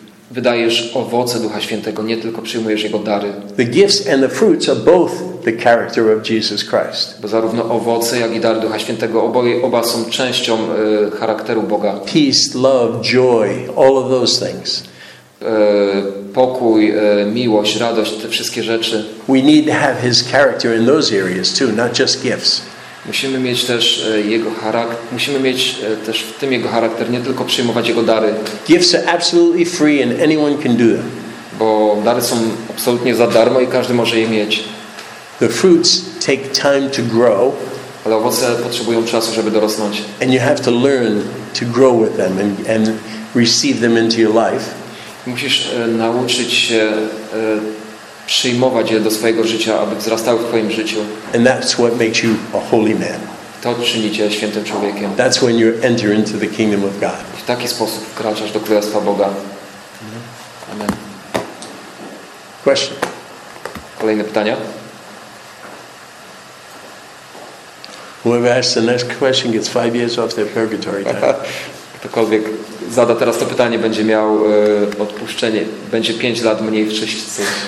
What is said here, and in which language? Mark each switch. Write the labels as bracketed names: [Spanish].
[Polish] Wydajesz owoce Ducha Świętego, nie tylko przyjmujesz jego dary. [English] The gifts and the fruits are both the character of Jesus Christ. [Polish] Bo zarówno owoce, jak i dary Ducha Świętego, oba są częścią charakteru Boga. [English] Peace, love, joy, all of those things. [Polish] Pokój, miłość, radość, te wszystkie rzeczy. [English] We need to have his character in those areas too, not just gifts. [Polish] Musimy mieć też jego charakter, musimy mieć też w tym jego charakter, nie tylko przyjmować jego dary. [English] Gifts are absolutely free and anyone can do them. [Polish] Bo dary są absolutnie za darmo i każdy może je mieć. [English] The fruits take time to grow. [Polish] Ale owoce potrzebują czasu, żeby dorosnąć. [English] And you have to learn to grow with them and receive them into your life. [Polish] Musisz nauczyć się przyjmować je do swojego życia, aby wzrastały w twoim życiu. [English] And that's what makes you a holy man. [Polish] To czyni cię świętym człowiekiem. [English] That's when you enter into the kingdom of God. [Polish] W taki sposób wkraczasz do Królestwa Boga. [English] Amen. Question. [Polish] Kolejne pytania. [English] Whoever asks the next question gets 5 years off their purgatory time. [Polish] Ktokolwiek zada teraz to pytanie, będzie miał odpuszczenie. Będzie 5 lat mniej w czyśćcu.